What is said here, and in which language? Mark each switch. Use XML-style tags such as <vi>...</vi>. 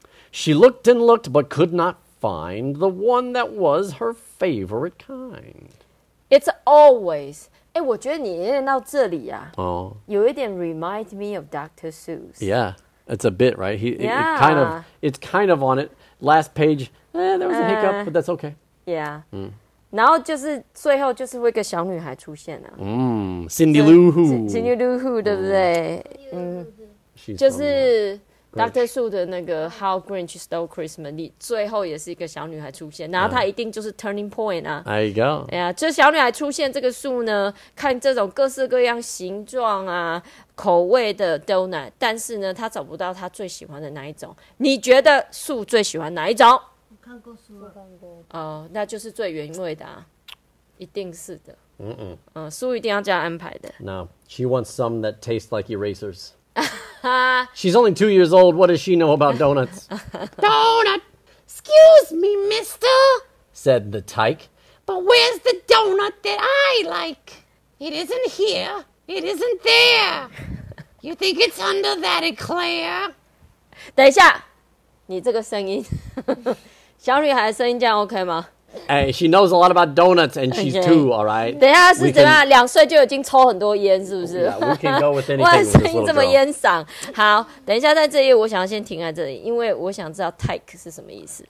<en>She looked and looked but could not find the one that was her favorite kind. It's always...</en> <zh>欸，我觉得你念到这里啊，哦，有一点</zh> <en>remind me of Dr. Seuss. Yeah, it's a bit, right? It's kind of on it. Last page, there was a hiccup, but that's okay. Yeah.</en> <zh>然后就是最后就是会一个小女孩出现啊。</zh> <en>Cindy Lou Who.</en> <zh>Cindy Lou Who, 对不对？就是 Dr. Seuss 的那个 How Grinch Stole Christmas, 你最后也是一个小女孩出现，然后她一定就是 turning point 啊。</zh> <en>There you go.</en> <zh>对啊，就小女孩出现这个树呢，看这种各式各样形状啊、口味的 donut, 但是呢，她找不到她最喜欢的哪一种。你觉得树最喜欢哪一种？看过书了，哦，那就是最原味的啊，一定是的。书一定要这样安排的。</zh> <en>No, she wants some that tastes like erasers. She's only 2 years old. What does she know about donuts? Donut! Excuse me, mister, said the tyke. But where's the donut that I like? It isn't here. It isn't there. You think it's under that eclair?</en> <zh>等一下，你这个声音。小女孩的声音这样 OK 吗？</zh> <en>哎、hey, ，She knows a lot about donuts, and she's two, all right.</en> <zh>等一下是怎样？两岁就已经抽很多烟，是不是</zh> <en>？Yeah, we can go with anything.</en> <zh>哇，声音这么烟嗓。好，等一下在这页，我想要先停在这里，因为我想知道 tyke 是什么意思。</zh>